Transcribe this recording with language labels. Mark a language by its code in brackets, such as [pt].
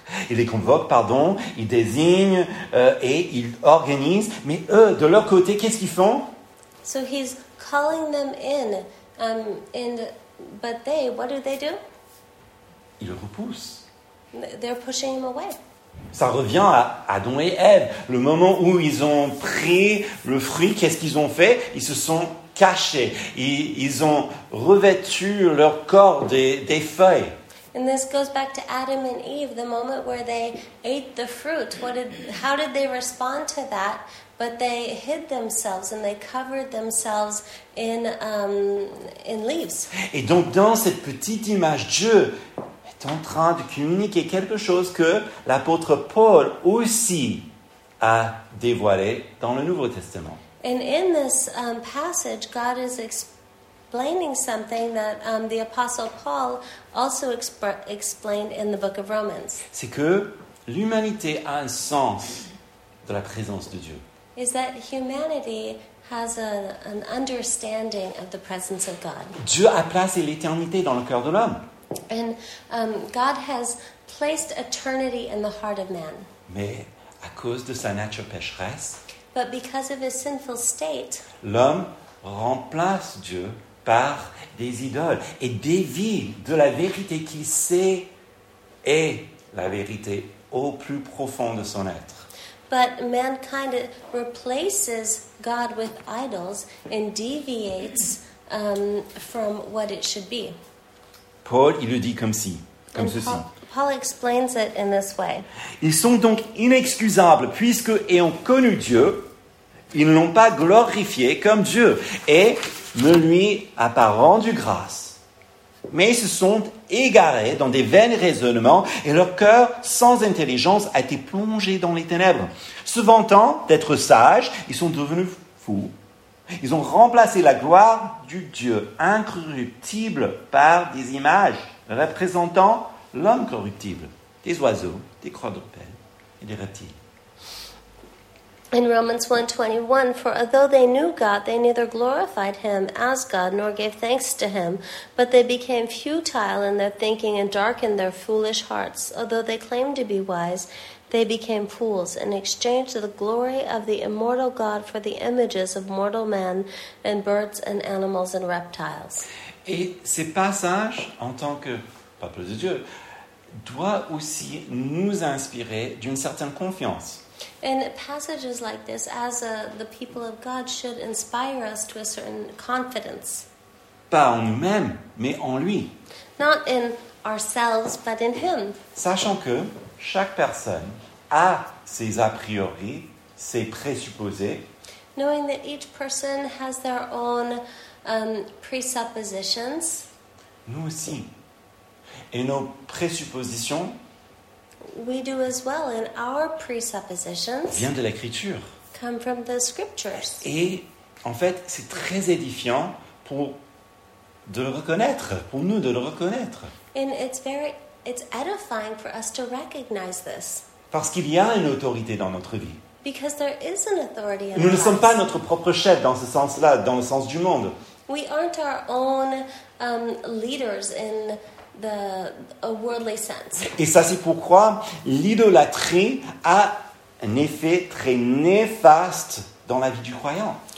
[fr] Il les convoque, il désigne et il organise, mais eux de leur côté, qu'est-ce qu'ils font? [en] So he's calling them in and but they, what do? [fr] Ils le repoussent. [en] They're pushing him away. [fr] Ça revient à Adam et Ève. Le moment où ils ont pris le fruit, qu'est-ce qu'ils ont fait? Ils se sont cachés. Ils ont revêtu leur corps des feuilles. [en] And this goes back to Adam and Eve, the moment where they ate the fruit. How did they respond to that? But they hid themselves and they covered themselves in leaves. [fr] Et donc dans cette petite image, Dieu est en train de communiquer quelque chose que l'apôtre Paul aussi a dévoilé dans le Nouveau Testament. [en] And in this passage, God is explaining something that the apostle Paul also explained in the book of Romans. [fr] C'est que l'humanité a un sens de la présence de Dieu. [en] Is that humanity has an understanding of the presence of God. [fr] Dieu a placé l'éternité dans le cœur de l'homme. [en] And God has placed eternity in the heart of man. [fr] Mais à cause de sa nature pécheresse, [en] but because of his sinful state, [fr] l'homme remplace Dieu par des idoles et dévie de la vérité qu'il sait est la vérité au plus profond de son être. [en] But mankind replaces God with idols and deviates from what it should be. [fr] Paul, il le dit comme si, comme Paul, ceci. [en] Paul explains it in this way. [fr] Ils sont donc inexcusables, puisque, ayant connu Dieu, ils ne l'ont pas glorifié comme Dieu et ne lui a pas rendu grâce. Mais ils se sont égarés dans des vains raisonnements et leur cœur, sans intelligence, a été plongé dans les ténèbres. Se vantant d'être sages, ils sont devenus fous. Ils ont remplacé la gloire du Dieu incorruptible par des images représentant l'homme corruptible, des oiseaux, des quadrupèdes et des reptiles. [en] In Romans 1:21, for although they knew God, they neither glorified him as God nor gave thanks to him, but they became futile in their thinking and darkened their foolish hearts. Although they claimed to be wise, they became fools and exchanged the glory of the immortal God for the images of mortal men and birds and animals and reptiles. [fr] Et ces passages, en tant que peuple de Dieu, doivent aussi nous inspirer d'une certaine confiance. [en] And passages like this, as the people of God, should inspire us to a certain confidence. [fr] Pas en nous-mêmes, mais en lui. [en] Not in ourselves, but in him. [fr] Sachant que chaque personne a ses a priori, ses présupposés. [en] Knowing that each person has their own presuppositions. [fr] Nous aussi. Et nos présuppositions. [en] We do as well in our presuppositions. [fr] Vient de l'écriture. [en] Come from the scriptures. [fr] Et en fait, c'est très édifiant pour de le reconnaître, pour nous de le reconnaître. [en] And it's edifying for us to recognize this. Parce qu'il y a une autorité dans notre vie. Because there is an authority in our lives. [fr] Nous ne sommes pas notre propre chef dans ce sens-là, dans le sens du monde. [en] We aren't our own leaders in a worldly sense. [fr] Et ça, c'est pourquoi l'idolâtrie a un effet très néfaste dans la vie du croyant.